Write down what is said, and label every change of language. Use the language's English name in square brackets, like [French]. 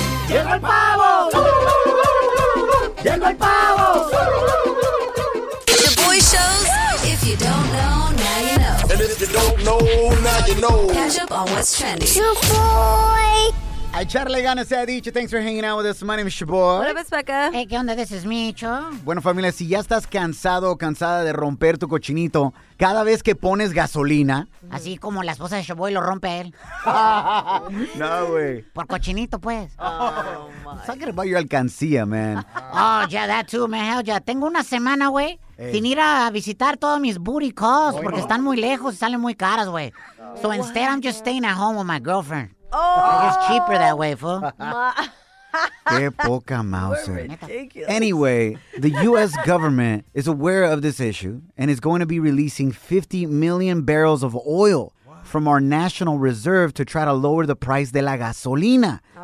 [Spanish] Llegó el pavo. Llegó el pavo. [English] The boy shows. If you don't know, now you know. And if you don't know, now you know. Catch up on what's trending. Your boy. [Spanish] Echarle ganas, se ha dicho. [English] Thanks for hanging out with us. My name is Shaboy. What up, it's Becca. Hey, [Spanish] ¿qué onda? [English] This is Micho. [Spanish] Bueno, familia, si ya estás cansado o cansada de romper tu cochinito cada vez que pones gasolina. Así como la esposa de Shaboy lo rompe a él. No, güey. Por cochinito, pues. [English] Oh, my. Talking about your alcancía, man. Oh, yeah, that too, man. Hell yeah. [Spanish] Tengo una semana, güey. Sin ir a visitar todos mis booty calls, porque están muy lejos y salen muy caras, güey. [English] So instead, I'm just staying at home with my girlfriend. Oh. It's cheaper that way, fool. [Spanish] Qué poca mouse. [English] Anyway, the U.S. government is aware of this issue and is going to be releasing 50 million barrels of oil from our national reserve to try to lower the price [Spanish] de la gasolina.